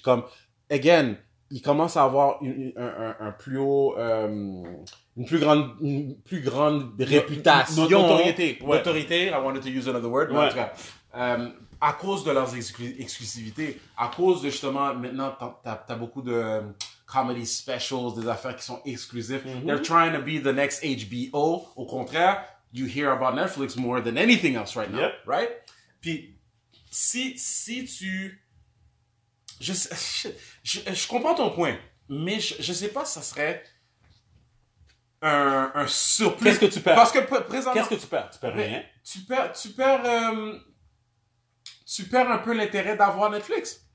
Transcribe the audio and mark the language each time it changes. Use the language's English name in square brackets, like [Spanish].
[French] Comme, again, ils commencent à avoir une plus grande réputation. Notoriété. [English] Ouais. Notoriété, I wanted to use another word. Ouais. En tout cas, à cause de leurs exclusivités, à cause de justement, maintenant, t'as beaucoup de comedy specials, des affaires qui sont exclusives. Mm-hmm. They're trying to be the next HBO. [French] Au contraire, [English] you hear about Netflix more than anything else right now, right? [French] Puis, si tu... Je comprends ton point, mais je sais pas si ça serait un surplus. Qu'est-ce que tu perds? Parce que présentement... Qu'est-ce que tu perds? Tu perds rien. Tu perds un peu l'intérêt d'avoir Netflix.